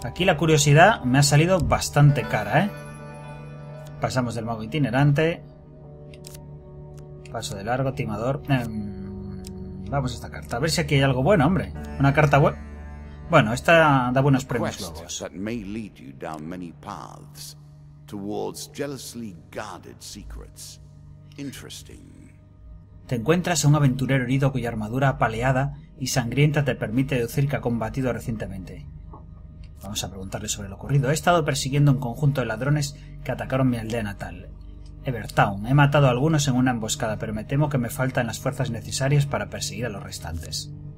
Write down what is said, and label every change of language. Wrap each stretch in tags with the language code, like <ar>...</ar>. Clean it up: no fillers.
<es>Aquí la curiosidad me ha salido bastante cara, ¿eh? Pasamos del mago itinerante. Paso de largo, timador. Vamos a esta carta. A ver si aquí hay algo bueno, hombre. Una carta buena. Bueno, esta da buenos premios logos.</es> <en>That may lead you down many paths towards jealously guarded secrets. Interesting.</en> <es>Te encuentras a un aventurero herido cuya armadura apaleada y sangrienta te permite deducir que ha combatido recientemente. Vamos a preguntarle sobre lo ocurrido. He estado persiguiendo un conjunto de ladrones que atacaron mi aldea natal, Evertown. He matado a algunos en una emboscada, pero me temo que me faltan las fuerzas necesarias para perseguir a los restantes.</es>